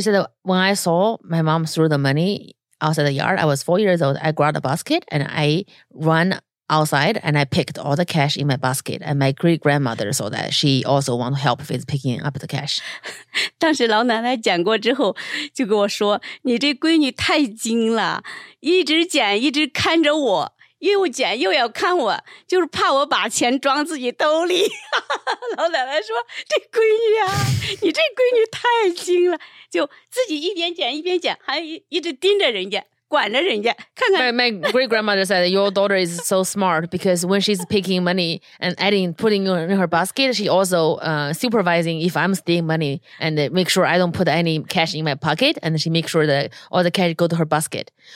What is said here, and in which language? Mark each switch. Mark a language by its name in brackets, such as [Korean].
[English] said, when I saw my mom threw the money outside the yard, I was 4 years old, I grabbed a basket and I ran outside and I picked all the cash in my basket and my great-grandmother saw that she also wanted help with picking up the cash. [Chinese] 当时老奶奶捡过之后就跟我说，你这闺女太精了，一直捡一直看着我，又捡又要看我，就是怕我把钱装自己兜里。老奶奶说，这闺女啊，你这闺女太精了，就自己一边捡一边捡，还一直盯着人家。管着人家，看看。 [English] My great grandmother said your daughter is so smart because when she's picking money and putting in her basket, she also supervising if I'm stealing money and make sure I don't put any cash in my pocket, and she makes sure that all the cash go to her basket.